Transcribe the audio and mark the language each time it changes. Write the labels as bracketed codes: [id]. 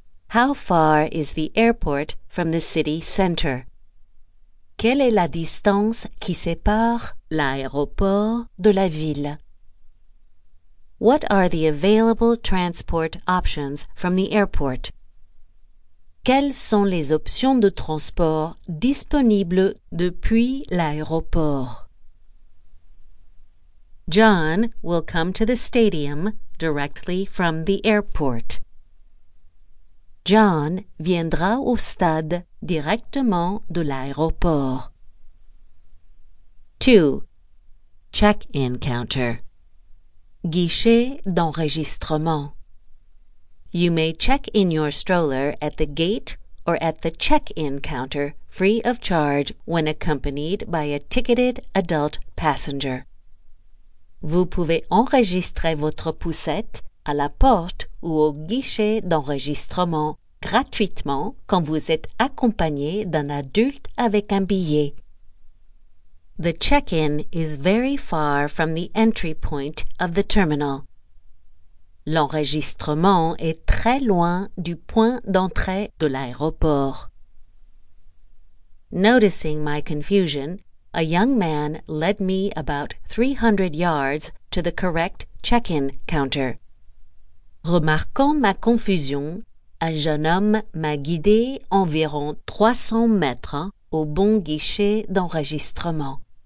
[en] How far is the airport from the city center? [fr] Quelle est la distance qui sépare l'aéroport de la ville? [en] What are the available transport options from the airport? [fr] Quelles sont les options de transport disponibles depuis l'aéroport? [en] John will come to the stadium directly from the airport. [fr] John viendra au stade directement de l'aéroport. 2. [en] Check-in counter. [fr] Guichet d'enregistrement. [en] You may check in your stroller at the gate or at the check-in counter free of charge when accompanied by a ticketed adult passenger. [fr] Vous pouvez enregistrer votre poussette à la porte ou au guichet d'enregistrement gratuitement quand vous êtes accompagné d'un adulte avec un billet. [en] The check-in is very far from the entry point of the terminal. [fr] L'enregistrement est très loin du point d'entrée de l'aéroport. [en] Noticing my confusion, a young man led me about 300 yards to the correct check-in counter. [fr] Remarquant ma confusion, un jeune homme m'a guidé environ 300 mètres au bon guichet d'enregistrement.